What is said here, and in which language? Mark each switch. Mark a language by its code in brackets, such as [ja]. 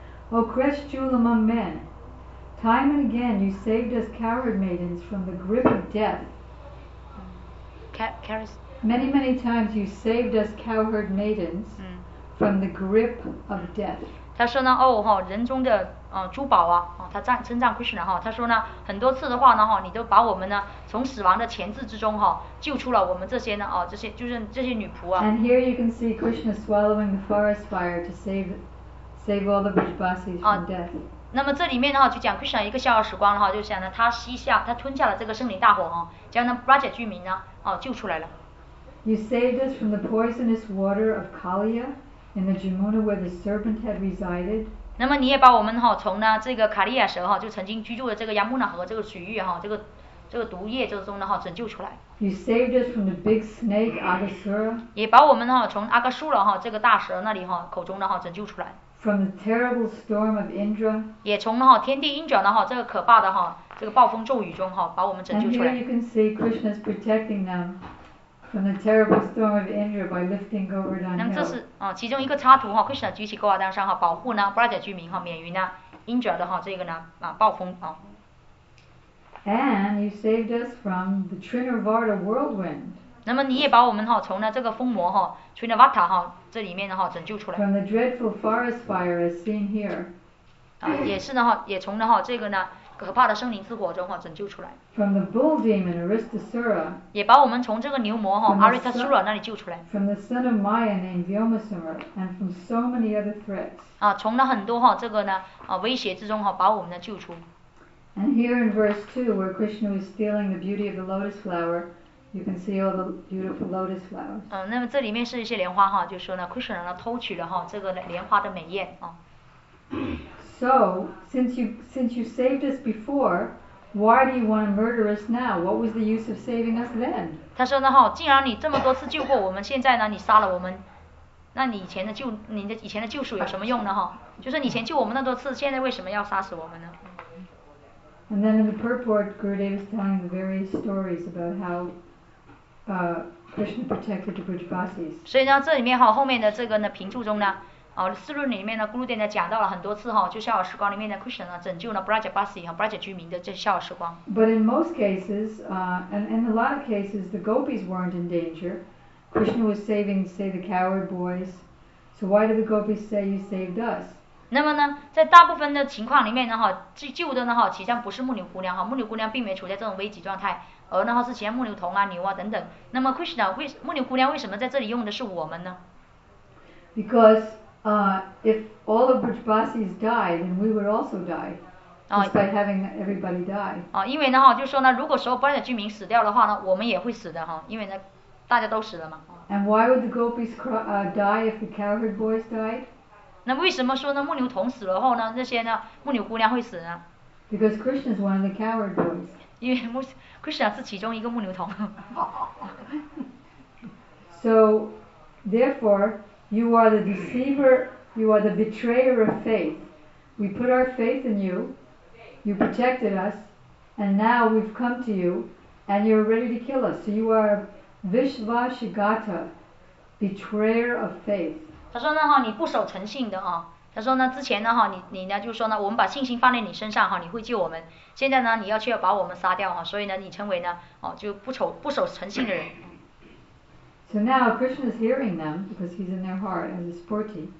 [en] O crest jewel among men, time and again you saved us coward maidens from the grip of death. Many, many times you saved us coward maidens from the grip of death. [zh] 他说呢，哦哈，人中的珠宝啊，哦，他称赞 Krishna 哈，他说呢，很多次的话呢哈，你都把我们呢从死亡的钳制之中哈，救出了我们这些呢哦，这些就是这些女仆啊。 [en] And here you can see Krishna swallowing the forest fire to save all the Vrishabhasis from death. [zh] 那么这里面的话就讲 Krishna 一个笑傲时光的话，就讲呢，他吸下，他吞下了这个森林大火哈，将那 Braja 居民呢哦救出来了。 [en] You saved us from the poisonous water of Kaliya. In the Jamuna where the serpent had resided. [zh] 那么你也把我们哈从呢这个卡利亚蛇哈就曾经居住的这个亚穆纳河这个水域哈这个毒液之中呢哈拯救出来。 [en] You saved us from the big snake Agasura. [zh] 也把我们哈从阿喀苏罗哈这个大蛇那里哈口中呢哈拯救出来。 [en] From the terrible storm of Indra. [zh] 也从哈天帝 Indra 的哈这个可怕的哈这个暴风骤雨中哈把我们拯救出来。 [en] And here you can see Krishna's protecting them. From the terrible storm of Indra by lifting Govardhan Hill. [zh] 那么这是其中一个插图哈 ，Krishna 举起 Govardhan 山哈，保护呢 Braja 居民哈，免于呢 Indra 的哈这个呢暴风啊。 [en] And you saved us from the Trinavarta whirlwind. [zh] 那么你也把我们哈从呢这个风魔哈 Trinavarta 哈这里面哈拯救出来。 [en] From the dreadful forest fire as seen here. [zh] 啊，也是呢哈，也从呢哈这个呢。可怕的森林之火中哈拯救出来。 [en] From the bull demon Aristasura. [zh] 也把我们从这个牛魔哈 Aristasura 那里救出来。 [en] From the son of Maya named Vyomasura and from so many other threats. [zh] 啊，从那很多哈这个呢威胁之中哈把我们呢救出。 [en] And here in verse 2 where Krishna was stealing the beauty of the lotus flower, you can see all the beautiful lotus flowers. [zh] 那么这里面是一些莲花哈，就是、说呢 Krishna 呢偷取了哈这个莲花的美艳啊。 [en] So, since you saved us before, why do you want to murder us now? What was the use of saving us then? [zh] 他说呢哈，既然你这么多次救过我们，现在呢你杀了我们，那你以前的救你的以前的救赎有什么用呢哈？就是你以前救我们那么多次，现在为什么要杀死我们呢 [en] ？And then in the purport, Gurudev is telling the various stories about how, Krishna protected the Vrishabhasis. [zh] 所以呢，这里面哈后面的这个呢评注中呢。四论里面呢，咕噜殿呢讲到了很多次哈，就笑傲时光里面的 Krishna 呢拯救了 Brajabasi 和 Braja 居民的这笑傲时光。 [en] But in most cases, and a lot of cases, the gopis weren't in danger. Krishna was saving, say, the coward boys. So why do the gopis say you saved us? [zh] 那么呢，在大部分的情况里面呢哈，救的呢哈，其实不是牧牛姑娘哈，牧牛姑娘并没处在这种危急状态，而呢是其他牧牛童啊、牛啊等等。那么 Krishna 牧牛姑娘为什么在这里用的是我们呢 [en] ？Because if all of Vrishabhasis died, then we would also die, despite having everybody die. [zh] 因为呢哈，就说呢，如果所有巴利的居民死掉的话呢，我们也会死的哈，因为呢，大家都死了嘛。 [en] And why would the gopis die if the cowherd boys died? [zh] 那为什么说呢，牧牛童死了后呢，那些呢，牧牛姑娘会死呢 [en] ？Because Krishna is one of the cowherd boys. [zh] 因为Krishna 是其中一个牧牛童。 [en] So, therefore. You are the deceiver You are the betrayer of faith. We put our faith in you. You protected us. And now we've come to you and you're ready to kill us. So you are Vishvashigata, betrayer of faith. [zh] 他说呢，你不守诚信的啊。他说呢，之前呢，你呢就说呢，我们把信心放在你身上，你会救我们。现在呢，你要却要把我们杀掉，所以呢，你成为呢，就不守诚信的人。So [en] now Krishna is hearing them because he's in their heart as a sporty.